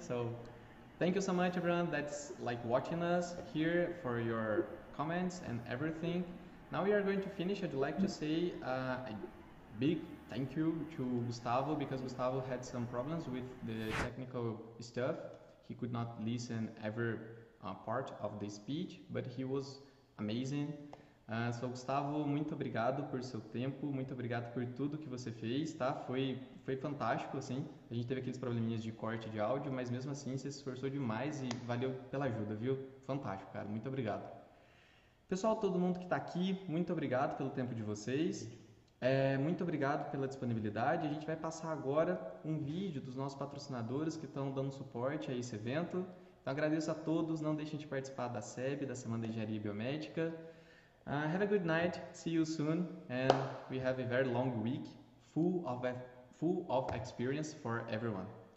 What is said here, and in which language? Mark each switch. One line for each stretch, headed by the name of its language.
English: So, thank you so much everyone that's like watching us here for your comments and everything. Now we are going to finish. I'd like to say a big thank you to Gustavo, because Gustavo had some problems with the technical stuff. He could not listen every part of the speech, but he was amazing.
Portuguese: So Gustavo, muito obrigado por seu tempo, muito obrigado por tudo que você fez, tá? Foi fantástico, assim. A gente teve aqueles probleminhas de corte de áudio, mas mesmo assim você se esforçou demais e valeu pela ajuda, viu? Fantástico, cara. Muito obrigado. Pessoal, todo mundo que está aqui, muito obrigado pelo tempo de vocês, muito obrigado pela disponibilidade. A gente vai passar agora um vídeo dos nossos patrocinadores que estão dando suporte a esse evento. Então agradeço a todos, não deixem de participar da SEB, da Semana de Engenharia Biomédica.
English: Have a good night, see you soon, and we have a very long week full of experience for everyone.